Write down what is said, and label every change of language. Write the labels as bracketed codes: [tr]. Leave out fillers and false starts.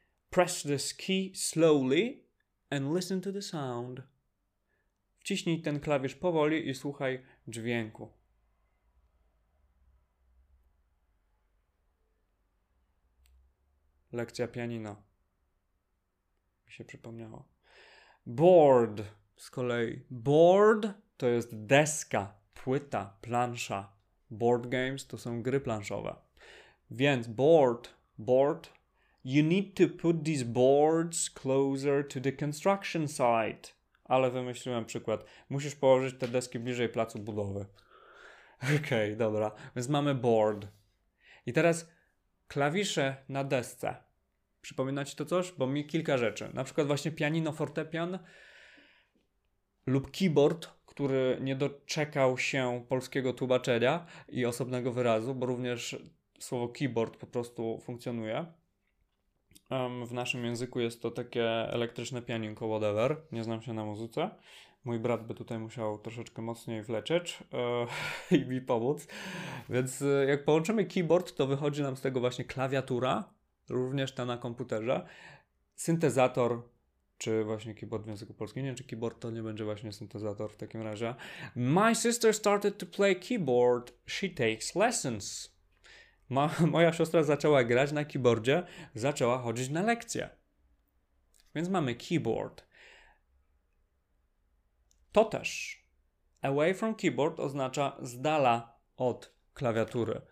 [en] Press this key slowly and listen to the sound. [pl] Wciśnij ten klawisz powoli i słuchaj dźwięku. Lekcja pianino. Mi się przypomniało. Board z kolei. Board to jest deska, płyta, plansza. Board games to są gry planszowe. Więc board. [en] You need to put these boards closer to the construction site. [pl] Ale wymyśliłem przykład. Musisz położyć te deski bliżej placu budowy. Okej, dobra. Więc mamy board. I teraz klawisze na desce. Przypomina ci to coś? Bo mi kilka rzeczy. Na przykład właśnie pianino, fortepian lub keyboard, który nie doczekał się polskiego tłumaczenia i osobnego wyrazu, bo również słowo keyboard po prostu funkcjonuje. W naszym języku jest to takie elektryczne pianinko, whatever. Nie znam się na muzyce. Mój brat by tutaj musiał troszeczkę mocniej wleczeć i mi pomóc. Więc jak połączymy keyboard, to wychodzi nam z tego właśnie klawiatura, również ta na komputerze, syntezator, czy właśnie keyboard w języku polskim. Nie wiem, czy keyboard to nie będzie właśnie syntezator w takim razie. [en] My sister started to play keyboard. She takes lessons. [pl] Moja siostra zaczęła grać na keyboardzie, zaczęła chodzić na lekcje. Więc mamy keyboard. To też. [en] Away from keyboard [pl] oznacza z dala od klawiatury.